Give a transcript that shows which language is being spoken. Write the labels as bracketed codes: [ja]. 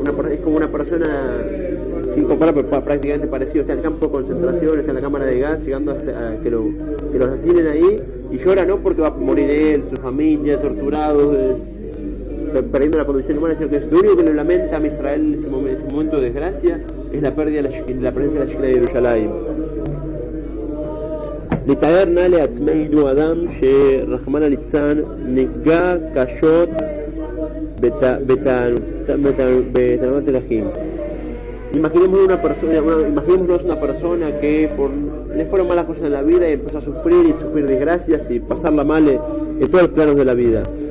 [es] es como una persona sin comparar, pero prácticamente parecido, está en el campo de concentración, está en la cámara de gas, llegando a que los asesinen ahí, y llora, ¿no? Porque va a morir él, su familia, torturados, perdiendo la condición humana, sino que lo único que le lamenta a Israel en ese momento de desgracia es la pérdida de la presencia de la Shekinah de Yerushalayim. [he] לתאר נא לעצמנו אדם שרחמן הליצן נפגע קשות בתאונת דרכים. [es] Imaginémonos una persona que por, le fueron malas cosas en la vida y empezó a sufrir y sufrir desgracias y pasarla mal en todos los planos de la vida.